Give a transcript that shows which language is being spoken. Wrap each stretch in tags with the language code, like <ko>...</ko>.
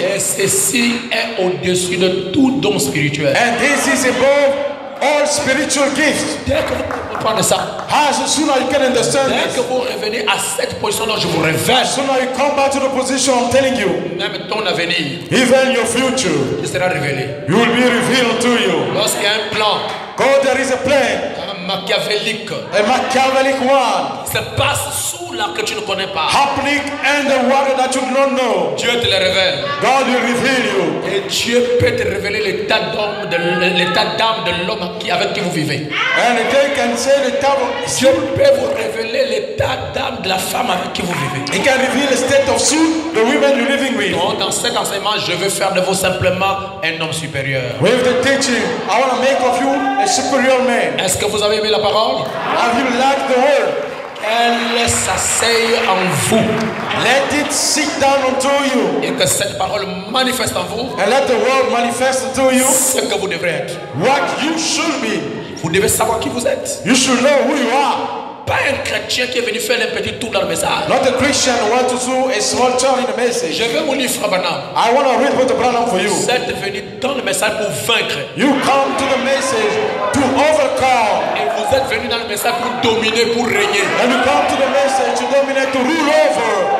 <fr>Et ceci est au-dessus de tout don spirituel.</fr> <en>And this is above all spiritual gifts.</en> <fr>Dès que vous comprenez ça.</fr> <en>As soon as you can understand.</en> <fr>Dès que vous revenez à cette position, je vous révèle.</fr> <en>As soon as you come back to the position, I'm telling you.</en> <fr>Même ton avenir.</fr> <en>Even your future.</en> <fr>Il sera révélé.</fr> <en>You will be revealed to you.</en> <fr>Lorsqu'il y a un plan.</fr> <en>God, there is a plan.</en> <fr>Machiavélique.</fr> <en>A machiavellic one.</en> <fr>Se passe sous là que tu ne connais pas.</fr> <en>Happening in the world that you don't know.</en> <fr>Dieu te le révèle.</fr> <en>God will reveal you.</en> <fr>Et Dieu peut te révéler l'état d'homme de l'homme avec qui vous vivez.</fr> <en>And he can say the type of</en> <fr>Dieu peut vous révéler l'état d'âme de la femme avec qui vous vivez.</fr> <en>He can reveal the state of soul the woman you're living with.</en> <fr>Donc, dans cet enseignement, je veux faire de vous simplement un homme supérieur.</fr> <en>With the teaching, I want to make of you a superior man.</en> <fr>Est-ce que vous avez aimé la parole?</fr> <en>Have you liked the word?</en> <fr>Elle s'asseye en vous.</fr> <en>Let it sit down unto you.</en> <fr>Et que cette parole manifeste en vous.</fr> <en>And let the world manifest unto you.</en> <fr>Ce que vous devrez être.</fr> <en>What you should be.</en> <fr>Vous devez savoir qui vous êtes.</fr> <en>You should know who you are.</en> <fr>Pas un chrétien qui est venu faire un petit tour dans le message.</fr> <en>Not a Christian who wants to do a small turn in the message.</en> <fr>Je veux vous lire Frère Branham.</fr> <en>I want to read what the Branham for you.</en> <fr>Vous êtes venu dans le message pour vaincre.</fr> <en>You come to the message to overcome.</en> <fr>Et vous êtes venu dans le message pour dominer, pour régner.</fr> <en>And you come to the message to dominate, to rule over.</en>